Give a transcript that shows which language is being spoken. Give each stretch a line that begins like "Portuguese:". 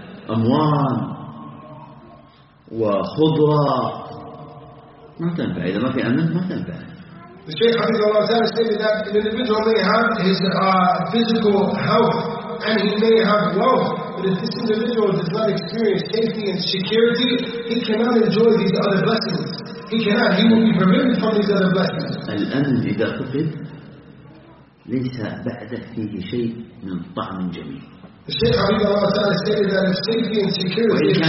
Arabic: أموال وخضرة ما تنفع إذا ما في أمن ما تنفع.
English: The Shaykh
Arabic: حفظه الله تعالى
English: stated that an individual may have his physical health and he may have wealth, but if this individual does not experience safety and security, he cannot enjoy these other blessings. He cannot. He will be prevented from these other blessings.
Arabic: الأمن إذا فقد ليس بعده فيه شيء من طعم جميل.
English: The Shaykh Habibullah Allah Ta'ala stated that if safety and security is